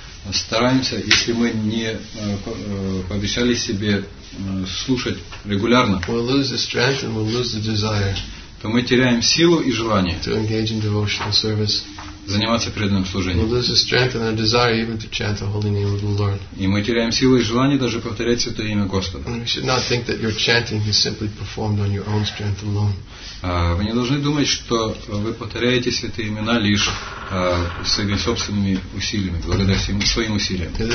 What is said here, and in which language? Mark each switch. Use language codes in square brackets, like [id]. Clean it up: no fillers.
[ru] стараемся, если мы не пообещали себе слушать регулярно, [en] we'll lose the strength and we'll lose the desire, [ru] то мы теряем силу и желание [en] to engage in devotional service. [ru] Заниматься преданным служением. И мы теряем силы и желание даже повторять Святое Имя Господа. Вы не должны думать, что вы повторяете Святые Имена лишь своими собственными усилиями, благодаря своим усилиям.